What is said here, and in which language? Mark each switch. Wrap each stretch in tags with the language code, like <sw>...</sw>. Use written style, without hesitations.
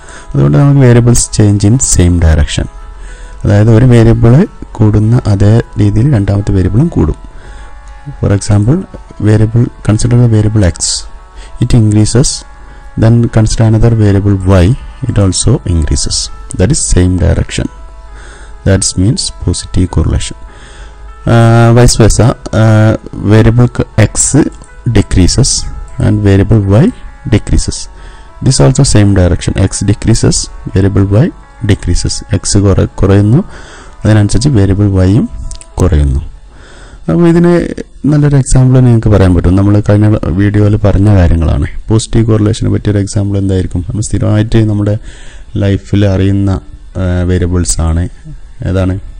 <ml>അതുകൊണ്ട് നമുക്ക്</ml> <en>variables change in same direction,</en> <ml>അതായത് ഒരു വേരിയബിള് കൂടുന്ന അതേ രീതിയിൽ രണ്ടാമത്തെ വേരിയബിളും കൂടും.</ml> <en>For example, variable consider the variable X, it increases. Then consider another variable Y, it also increases. That is same direction. That means positive correlation. Vice versa, variable x decreases and variable y decreases. This is also same direction. X decreases, variable y decreases.</en> <ml>X കുറയുന്നു, അതിനനുസരിച്ച് variable വൈയും കുറയുന്നു. അപ്പോൾ ഇതിന് നല്ലൊരു example നിങ്ങൾക്ക് പറയാൻ പറ്റും. നമ്മൾ കഴിഞ്ഞ വീഡിയോയിൽ പറഞ്ഞ കാര്യങ്ങളാണ്. പോസിറ്റീവ് കോറിലേഷനെ പറ്റിയൊരു എക്സാമ്പിൾ എന്തായിരിക്കും? നമ്മൾ സ്ഥിരമായിട്ട് നമ്മുടെ ലൈഫിൽ അറിയുന്ന വേരിയബിൾസാണ് ഏതാണ്?</ml>